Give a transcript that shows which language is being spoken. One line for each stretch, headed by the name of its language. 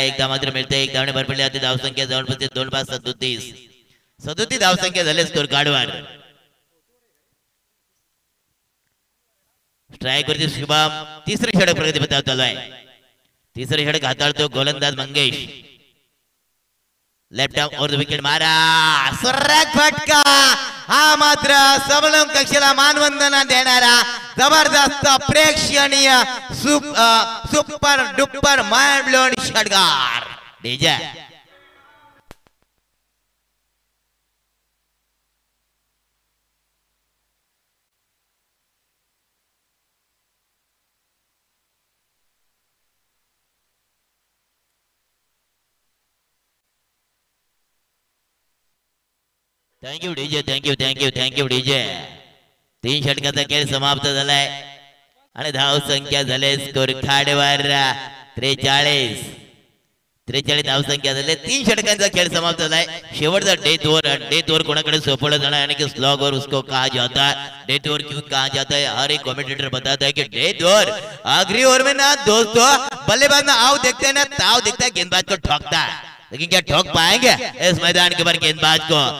Marathi: एकदा मात्र मिळते, एक धावने भरपडली आता धावसंख्या जवळपास 2-5 37 37 धावसंख्या झाली स्कोर कार्डवर। स्ट्राइकरचे शुभम तिसरे षटक प्रगतीपथावर चालूय। तिसरे षटक हाताळतो गोलंदाज Mangesh. Left arm over the wicket मारा सुरेख फटका। हा मात्र सबलम कक्षेला मानवंदना देणारा जबरदस्त प्रेक्षणीय सुपर डुपर माइंड ब्लोइंग षटकार।
English: DJ thank you DJ, thank you thank you thank you DJ.
Marathi: तीन षटकाचा खेळ समाप्त झालाय आणि धाव संख्या झाले स्कोर कार्डवर 43 43 धाव संख्या झाले। तीन षटकांचा खेळ समाप्त झालाय। शेवटचा डेथ ओवर, डेथ ओवर कोणाकडे सोपवला जाणार आणि
Hindi: स्लॉग ओवर उसको कहा जाता है, डेथ ओवर क्यों कहा जाता है, हर एक कमेंटेटर बताता है कि डेथ ओवर आखिरी ओवर में ना दोस्तों बल्लेबाज ना आओ देखते है ना ताओ देखता है गेंदबाज को ठोकता है, लेकिन क्या ठोक पाएंगे इस मैदान के ऊपर गेंदबाज को।